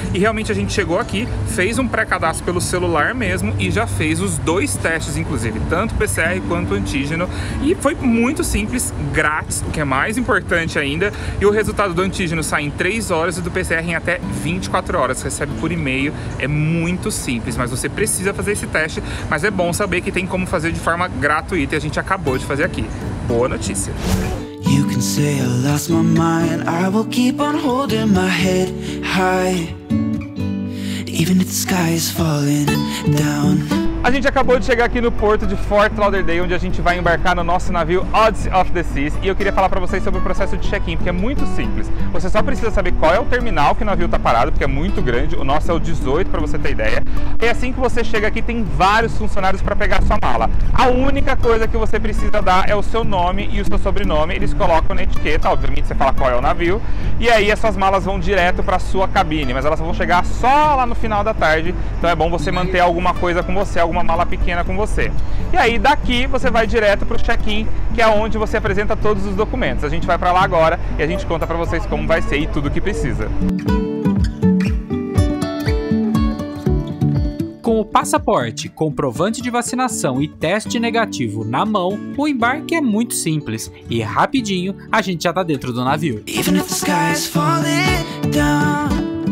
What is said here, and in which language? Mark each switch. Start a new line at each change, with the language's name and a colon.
Portuguese: E realmente a gente chegou aqui, fez um pré-cadastro pelo celular mesmo e já fez os dois testes, inclusive, tanto PCR quanto antígeno, e foi muito simples, grátis, o que é mais importante ainda, e o resultado do antígeno sai em 3 horas e do PCR em até 24 horas, recebe por e-mail, é muito simples, mas você precisa fazer esse teste, mas é bom saber que tem como fazer de forma gratuita e a gente acabou de fazer aqui. Boa notícia!
English: You can say I lost my mind, I will keep on holding my head high, even if the sky is falling down.
Portuguese: A gente acabou de chegar aqui no porto de Fort Lauderdale, onde a gente vai embarcar no nosso navio Odyssey of the Seas, e eu queria falar para vocês sobre o processo de check-in, porque é muito simples. Você só precisa saber qual é o terminal que o navio está parado, porque é muito grande, o nosso é o 18, para você ter ideia. E assim que você chega aqui, tem vários funcionários para pegar a sua mala. A única coisa que você precisa dar é o seu nome e o seu sobrenome, eles colocam na etiqueta, obviamente você fala qual é o navio, e aí essas malas vão direto para a sua cabine, mas elas vão chegar só lá no final da tarde, então é bom você manter alguma coisa com você, alguma uma mala pequena com você. E aí daqui você vai direto para o check-in, que é onde você apresenta todos os documentos. A gente vai para lá agora e a gente conta para vocês como vai ser e tudo o que precisa. Com o passaporte, comprovante de vacinação e teste negativo na mão, o embarque é muito simples e rapidinho a gente já tá dentro do navio.
English: Even if the sky is falling down.